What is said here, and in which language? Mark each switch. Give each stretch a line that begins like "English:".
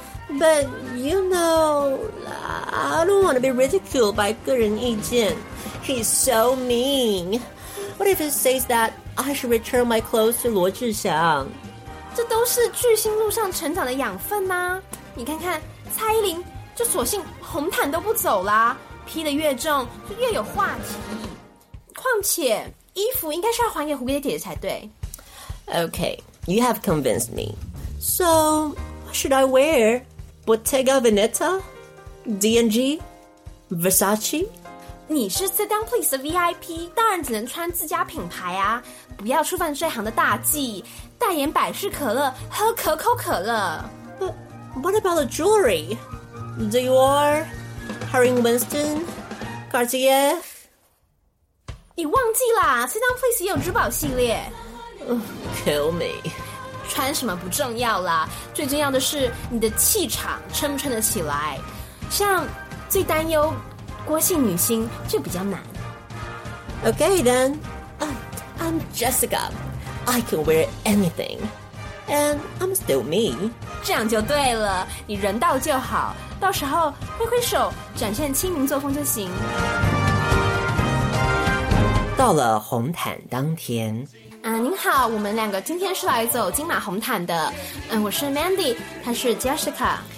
English: But you know, I don't want to be ridiculed by
Chinese: 个人意见.
English: He's so mean. What if he says that I should return my clothes to 罗志祥？
Chinese: 这都是巨星路上成长的养分呐、啊。你看看蔡依林，就索性红毯都不走啦，披得越重就越有话题。况且衣服应该是要还给蝴蝶姐姐才对。
English: Okay, you have convinced me. So. Should I wear Bottega Veneta, D&G, Versace?
Chinese: 你是 Sit Down Please 的 VIP， 当然只能穿自家品牌啊！不要触犯这行的大忌，代言百事可乐，喝可口可乐。
English: But what about the jewelry? Dior, Harry Winston, Cartier?
Chinese: 你忘记啦 ，Sit Down Please 有珠宝系列。
English: Kill me.
Chinese: 穿什么不重要啦，最重要的是你的气场撑不撑得起来，像最担忧郭姓女星就比较难。
English: Okay then I'm Jessica, I can wear anything and I'm still me.
Chinese: 这样就对了，你人到就好，到时候挥挥手展现清明作风就行。到了红毯当天，您好，我们两个今天是来走金马红毯的。我是 Mandy， 她是 Jessica。